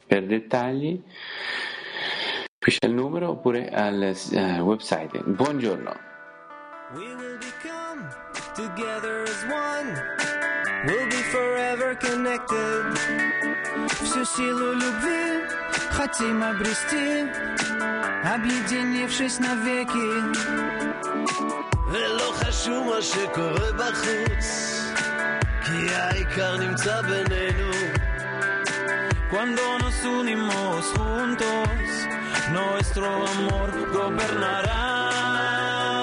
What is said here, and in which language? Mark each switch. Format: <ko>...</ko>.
<it>Per dettagli qui c'è il numero oppure al website. Buongiorno.</it> <en>We will become together as one. We'll be forever connected.</en> <ru>Всю силу любви хотим обрести, объединившись навеки.</ru> <he>ולא חשוב מה שקורה בחוץ, כי העיקר נמצא בינינו.</he> <es>Cuando nos unimos juntos, nuestro amor gobernará.</es>